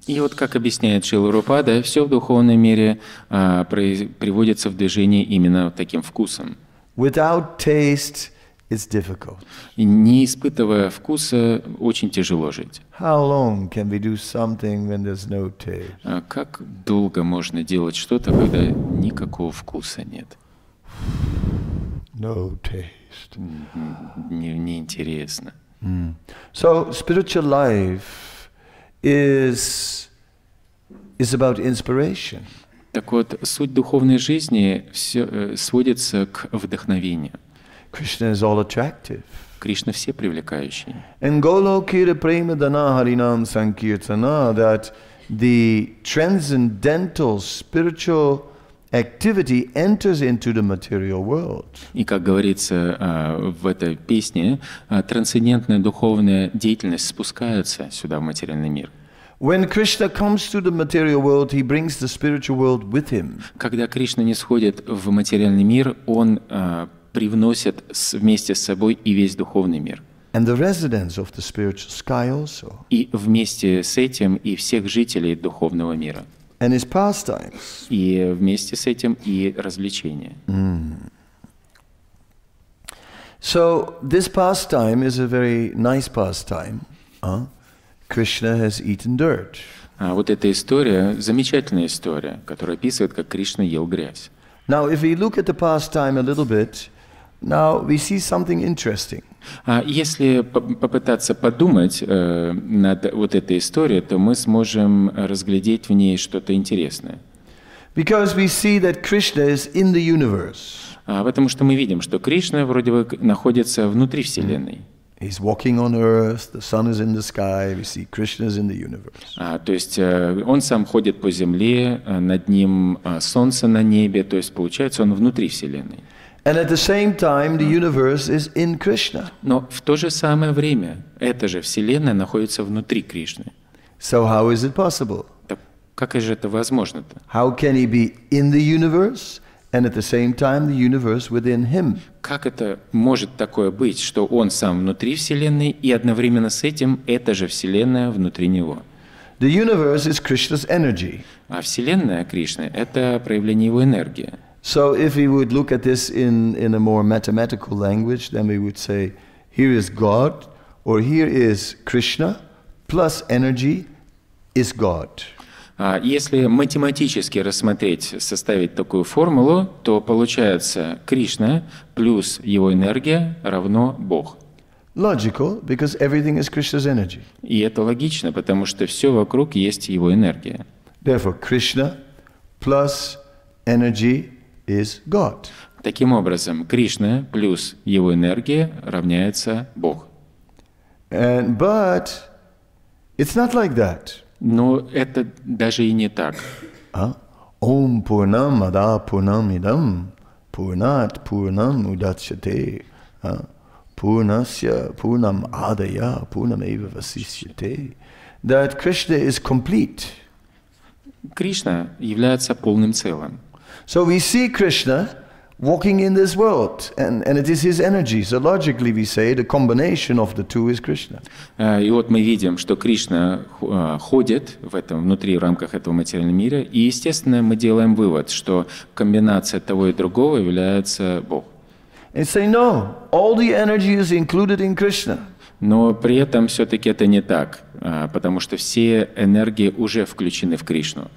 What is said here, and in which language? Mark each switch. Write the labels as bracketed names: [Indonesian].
[Russian] И вот как объясняет Шрила Прабхупада, все в духовном мире приводится в движение именно таким вкусом. [English] Without taste, it's difficult. [Russian] Не испытывая вкуса, очень тяжело жить. [English] How long can we do something when there's no taste? [Russian] Как долго можно делать что-то, когда никакого вкуса нет? [English] No taste. [Russian] Не интересно. [English] So spiritual life is about inspiration. [Russian] Так вот, суть духовной жизни все сводится к вдохновению. [English] Krishna is all attractive. [Russian] Кришна все привлекающий. [English] And [Bangla] Golokira Prema Dana Harinam Sankirtana, [English] that the transcendental spiritual activity enters into the material world. [Russian] И как говорится в этой песне, трансцендентная духовная деятельность спускается сюда, в материальный мир. [English] When Krishna comes to the material world, he brings the spiritual world with him. [Russian] Когда Кришна нисходит в материальный мир, он привносит вместе с собой и весь духовный мир. [English] And the residents of the spiritual sky also. [Russian] И вместе с этим и всех жителей духовного мира. [English] And his pastimes. [Russian] И вместе с этим и развлечения. [English] So this pastime is a very nice pastime. Krishna has eaten dirt. [Russian] А вот эта история замечательная история, которая описывает, как Кришна ел грязь. [English] Now, if we look at the pastime a little bit, now we see something interesting. [Russian] А если попытаться подумать над вот этой историей, то мы сможем разглядеть в ней что-то интересное. [English] Because we see that Krishna is in the universe. [Russian] Потому что мы видим, что Кришна вроде бы находится внутри вселенной. [English] He's walking on earth, the sun is in the sky, we see Krishna is in the universe. [Russian] То есть он сам ходит по земле, над ним солнце на небе, то есть получается он внутри вселенной. [English] And at the same time the universe is in Krishna. [Russian] Но в то же самое время эта же вселенная находится внутри Кришны. [English] So how is it possible? [Russian] Как же это возможно-то? [English] How can he be in the universe and at the same time the universe within him? [Russian] Как это может такое быть, что он сам внутри вселенной и одновременно с этим эта же вселенная внутри него? [English] The universe is Krishna's energy. [Russian] А вселенная Кришны это проявление его энергии. [English] So if we would look at this in a more mathematical language, then we would say, here is God, or here is Krishna, plus energy is God. [Russian] Если математически рассмотреть, составить такую формулу, то получается Кришна плюс его энергия равно Бог. [English] Logical, because everything is Krishna's energy. [Russian] И это логично, потому что все вокруг есть его энергия. [English] Therefore, Krishna plus energy is God. [Russian] Таким образом, Кришна плюс его энергия равняется Бог. [English] And, but it's not like that. [Russian] Но это даже и не так. [Sanskrit] Ом Пурнам Ада Пурнам Идам Пурнат Пурнам Удачате Пурнасья Пурнам Адая Пурнам Эйва Васишьяте. [English] That Krishna is complete. [Russian] Кришна является полным целым. [English] So we see Krishna walking in this world, and it is his energy. So logically we say the combination of the two is Krishna. [Russian] И вот мы видим, что Кришна ходит в этом внутри в рамках этого материального мира, и естественно мы делаем вывод, что комбинация того и другого является Бог. [English] And say no, all the energy is included in Krishna. [Russian] Но при этом все-таки это не так, потому что все энергии уже включены в Кришну.